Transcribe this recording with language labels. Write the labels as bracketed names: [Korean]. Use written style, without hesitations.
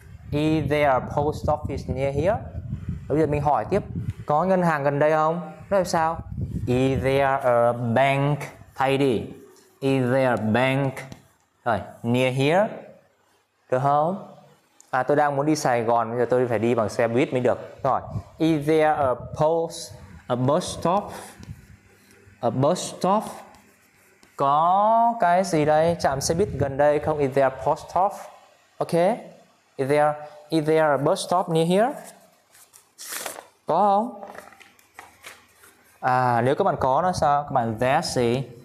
[English] Is there a post office near here? [Vietnamese] Bây giờ mình hỏi tiếp. Có ngân hàng gần đây không? Nói sao? [English] Is there a bank? [Vietnamese] Thay đi. [English] Is there a bank? Rồi, near here? Được không? [Vietnamese] À, tôi đang muốn đi Sài Gòn, bây giờ tôi phải đi bằng xe buýt mới được. [English] Rồi, is there a post, a bus stop? A bus stop? [Vietnamese] Có cái gì đây? Trạm xe buýt gần đây không? [English] Is there a post stop? Ok. Is there a bus stop near here? [Vietnamese] Có không? À, nếu các bạn có nó sao? Các bạn there see?